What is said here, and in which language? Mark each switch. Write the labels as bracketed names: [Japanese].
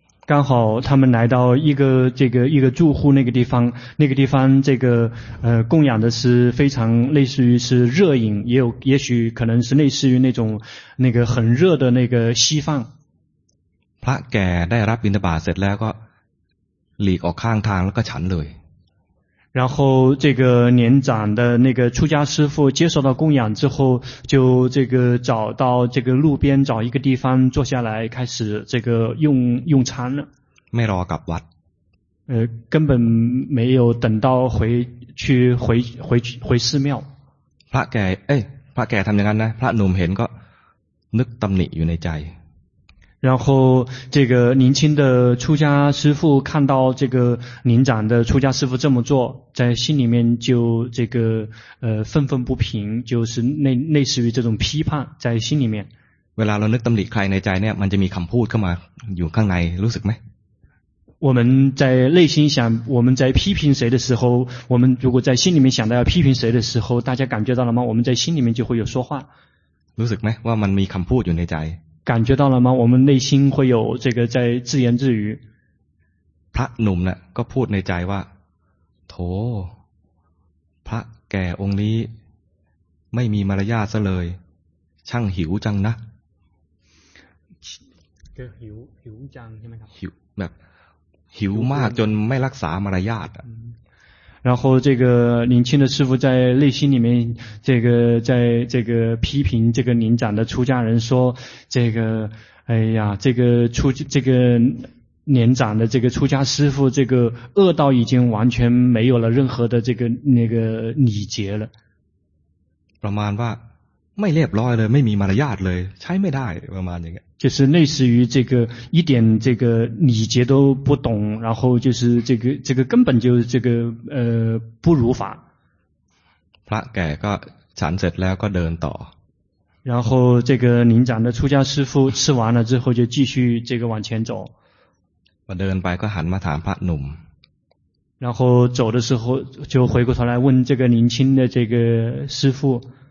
[Chinese] 刚好他们来到一个这个一个住户那个地方那个地方这个供养的是非常类似于是热饮也有也许可能是类似于那种那个很热的那个稀饭 [Thai] พระแก่ได้รับบิณฑบาตเสร็จแล้วก็หลีกออกข้างทางแล้วก็ฉันเลย [Chinese] 然后这个年长的那个出家师父接受到供养之后，就这个找到这个路边找一个地方坐下来，开始这个用餐了。 [Thai] ไม่รอกลับวัด [Chinese] 根本没有等到回寺庙。 [Thai] พระแก่พระแก่ทำอย่างนั้นนะพระหนุ่มเห็นก็นึกตำหนิอยู่ในใจ [Chinese] 然后这个年轻的出家师父看到这个年长的出家师父这么做，在心里面就这个愤愤不平，就是类似于这种批判在心里面。 [Thai] เวลาเรานึกตำหนิใครในใจเนี่ยมันจะมีคำพูดเข้ามาอยู่ข้างในรู้สึกไหม？ [Chinese] 我们在内心想我们在批评谁的时候，我们如果在心里面想到要批评谁的时候，大家感觉到了吗？我们在心里面就会有说话。 [Thai] รู้สึกไหมว่ามันมีคำพูดอยู่ในใจ？ [Chinese] 感觉到了吗？我们内心会有这个在自言自语。 [Thai] พระหนุ่มเนี่ยก็พูดในใจว่าโถพระแก่องค์นี้ไม่มีมารยาทซะเลยช่างหิวจังนะ ก็หิวจังใช่ไหมครับ หิวแบบหิวมากจนไม่รักษามารยาท [Chinese] 然后这个年轻的师父在内心里面这个在这个批评这个年长的出家人说这个哎呀这个出这个年长的这个出家师父这个恶道已经完全没有了任何的这个那个礼节了 [Thai] ประมาณว่าไม่เรียบร้อยเลยไม่มีมารยาทเลยใช้ไม่ได้ประมาณนี้ [Chinese] 就是类似于这个一点这个礼节都不懂然后就是这个根本就这个不如法 [Thai] พระแก่ก็ฉันเสร็จแล้วก็เดินต่อ [Chinese] 然后这个年长的出家师父吃完了之后就继续这个往前走 [Thai] พอเดินไปก็หันมาถามพระหนุ่ม [Chinese] 然后走的时候就回过头来问这个年轻的这个师父